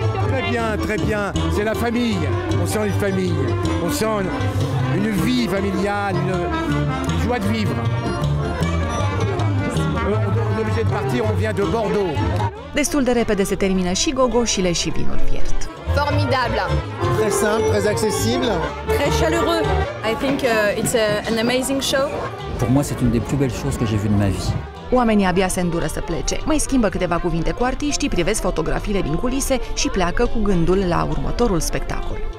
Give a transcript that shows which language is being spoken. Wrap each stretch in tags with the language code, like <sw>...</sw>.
<fr>Très bien, très bien, c'est la famille, on sent une famille, on sent une vie familiale, une joie de vivre. On est obligé de partir, on vient de Bordeaux.</fr> <ro>Destul de repede se termină și gogoșile și vinul fiert.</ro> <fr>Formidable. Très simple, très accessible. Très chaleureux.</fr> <en>I think it's an amazing show.</en> <fr>Pour moi, c'est une des plus belles choses que j'ai vues de ma vie.</fr> <ro>Oamenii abia se îndură să plece. Mai schimbă câteva cuvinte cu artiștii, privesc fotografiile din culise și pleacă cu gândul la următorul spectacol.</ro>